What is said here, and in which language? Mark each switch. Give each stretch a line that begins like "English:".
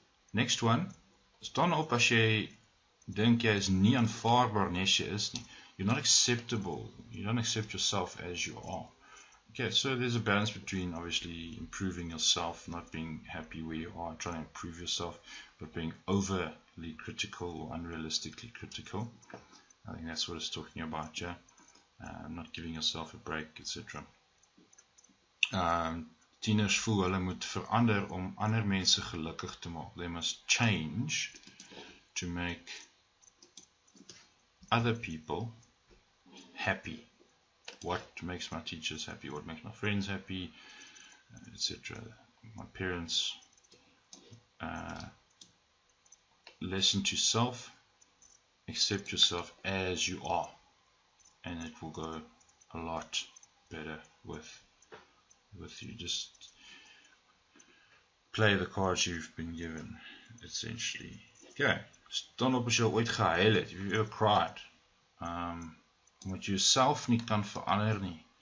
Afrikaans: Next one, staan op as jy dink jy is nie aanvaarbaar nie, as jy is nie.
English: You're not acceptable. You don't accept yourself as you are. Okay, so there's a balance between obviously improving yourself, not being happy where you are, trying to improve yourself, but being overly critical or unrealistically critical. I think that's what it's talking about, yeah? Not giving yourself a break, etc.
Afrikaans: Tieners voel hulle moet verander om ander mense gelukkig te maak.
English: They must change to make other people happy. What makes my teachers happy? What makes my friends happy? Etc. My parents. Listen to self. Accept yourself as you are. And it will go a lot better with you. Just play the cards you've been given, essentially. Okay.
Afrikaans: Staan op as jy ooit gehuil het.
English: You've ever cried.
Afrikaans: Omdat jy jouself nie kan verander nie.